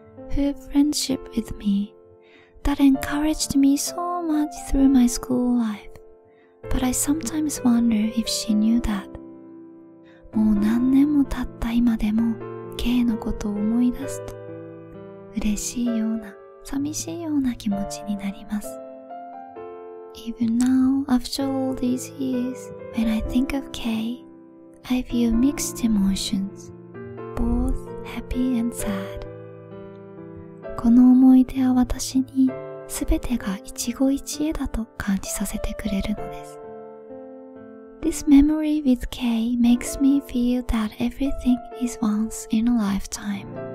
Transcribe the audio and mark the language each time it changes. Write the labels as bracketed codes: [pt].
[en] Her friendship with me, that encouraged me so much through my school life, but I sometimes wonder if she knew that. [ja] もう何年も経った今でも、K のことを思い出すと、嬉しいような、寂しいような気持ちになります。 [en] Even now, after all these years, when I think of K, I feel mixed emotions, both happy and sad. [ja] この思い出は私に全てが一期一会だと感じさせてくれるのです。 [en] This memory with K makes me feel that everything is once in a lifetime.